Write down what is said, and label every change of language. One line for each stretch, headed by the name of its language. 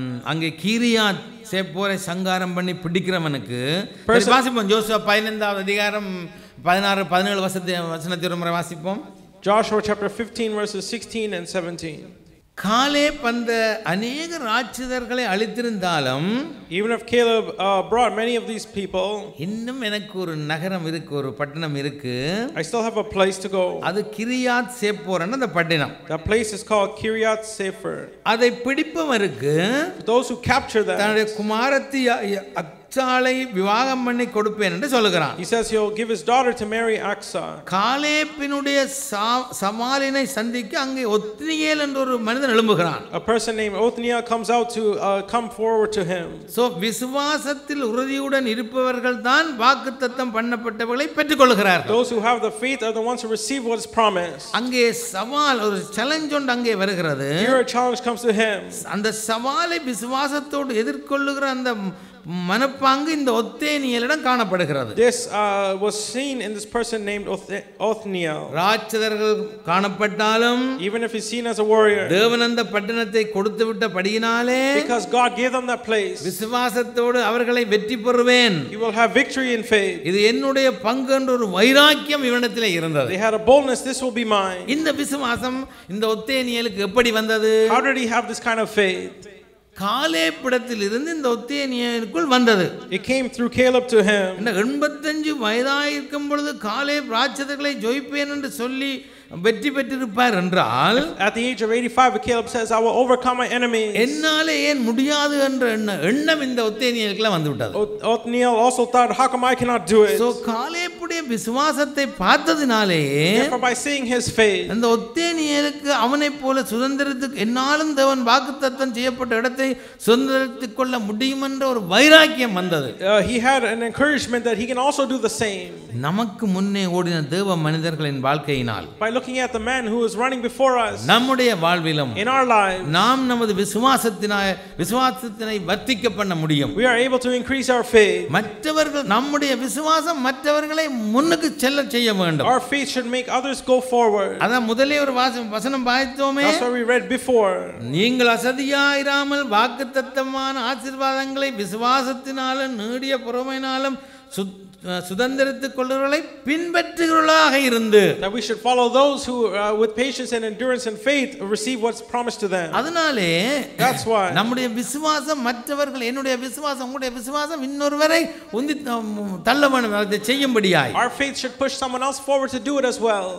Tamil: அங்கே கீரியா சேப்போரை சங்காரம் பண்ணி பிடிக்கிறவனுக்கு வாசிப்போம். ஜோசுவா 15 அதிகாரம் 16-17 முறை வாசிப்போம்.
English: Joshua chapter 15 verses 16 and 17.
Tamil: Caleb அந்த அநேக ராட்சதர்களை அழித்திருந்தாலும்,
English: even if Caleb brought many of these people,
Tamil: இன்னும் எனக்கு ஒரு நகரம் இருக்கு, ஒரு பட்டணம் இருக்கு.
English: I still have a place to go.
Tamil: அது கிரியாத் சேப்போர் அந்த பட்டணம்.
English: The place is called Kiriath Sefer.
Tamil: அதை பிடிப்பவருக்கு,
English: those who capture that,
Tamil: தன்னுடைய குமாரத்தி அக்சாளை விவாகம் பண்ணி கொடுப்பேன் என்று சொல்கிறான்.
English: He says he'll give his daughter to marry Aksa.
Tamil: காலேபினுடைய சமாலினை சந்திக்க அங்கே ஒத்னியேல் என்ற ஒரு மனிதன் எழும்புகிறான்.
English: A person named Othniel comes out to come forward to him.
Tamil: So விசுவாசத்தில் உறுதியுடன் இருப்பவர்கள் தான் வாக்குத்தத்தம் பண்ணப்பட்டவர்களை பெற்றுக் கொள்கிறார்கள்.
English: Those who have the faith are the ones who receive what is promised.
Tamil: அங்கே சவால், ஒரு சவாலை கொண்டு அங்கே வருகிறது.
English: Here a challenge comes to him.
Tamil: அந்த சவாலை விசுவாசத்தோடு எதிர்கொள்ளுகிற அந்த மனப்பாங்கு இந்த ஒத்தேனியலிடம் காணப்படுகிறது.
English: This was seen in this person named Othniel.
Tamil: ராட்சதர்கள் காணப்பட்டாலும்,
English: even if he's seen as a warrior,
Tamil: தேவன் அந்த பட்டணத்தை கொடுத்து விட்ட படியினாலே,
English: because God gave them that place,
Tamil: விசுவாசத்தோடு அவர்களை வெற்றி பெறுவேன்,
English: he will have victory in faith,
Tamil: இது என்னுடைய பங்கு என்ற ஒரு வைராக்கியம் இவனிடத்தில் இருந்தது.
English: They had a boldness, this will be mine.
Tamil: இந்த விசுவாசம் இந்த ஒத்தேனியலுக்கு எப்படி வந்தது?
English: How did he have this kind of faith?
Tamil: காலேபிடத்திலிருந்து இந்த ஒத்தேனியலுக்குள் வந்தது.
English: It came through Caleb to him.
Tamil: என்ன, 85 வயதாய் இருக்கும் பொழுது காலேப் ராட்சதர்களை ஜெயிப்பேன் என்று சொல்லி வெற்றி பெற்றிருப்பார் என்றால்,
English: at the age of 85 Caleb says I will overcome my enemies,
Tamil: என்னால ஏன் முடியாது என்ற எண்ணம் இந்த ஒத்தேனியலுக்குள்ள வந்துவிட்டது.
English: Othniel also thought, how come I cannot do it?
Tamil: So காலேபுடைய விசுவாசத்தை பார்த்ததினாலேயே,
English: by seeing his faith,
Tamil: அந்த ஒத்தேனியலுக்கு அவனை போல சுதந்திரத்துக்கு என்னாலும் தேவன் வாக்குத்தத்தம் செய்யப்பட்ட இடத்தை தேசத்தை சுதந்திரித்துக் கொள்ள முடியும் என்ற ஒரு வைராக்கியம் வந்தது.
English: He had an encouragement that he can also do the same.
Tamil: நமக்கு முன்னே ஓடின தேவ மனிதர்களின் வாழ்க்கையினால்
English: by looking at the man who is running before us
Tamil: நம்முடைய வாழ்விலும்
English: in our lives
Tamil: நாம் நமது விசுவாசத்தினை வர்த்திக்க பண்ண முடியும்.
English: We are able to increase our faith.
Tamil: மற்றவர்கள் நம்முடைய விசுவாசம் மற்றவர்களை முன்னுக்கு செல்ல செய்ய வேண்டும்.
English: Our faith should make others go forward.
Tamil: அதான் முதலே ஒரு வசனம் பார்த்தோமே.
English: That's what we read before.
Tamil: நீங்கள் அசதியாயிராமல் வாக்குத்தத்தமான ஆசீர்வாதங்களை விசுவாசத்தினாலும் நீடிய பொறுமையினாலும் சுதந்திரித்துக் கொள்ளுகளை பின்பற்றுகிறவர்களாக இருந்து
English: that we should follow those who with patience and endurance and faith receive what's promised to them.
Tamil: அதனாலே
English: that's why
Tamil: நம்முடைய விசுவாசம் மற்றவர்கள் என்னுடைய விசுவாசம் உங்களுடைய விசுவாசம் இன்னொருவரை உந்தி தள்ளவேண்டும் அதை செய்யும்படியாய்
English: our faith should push someone else forward to do it as well.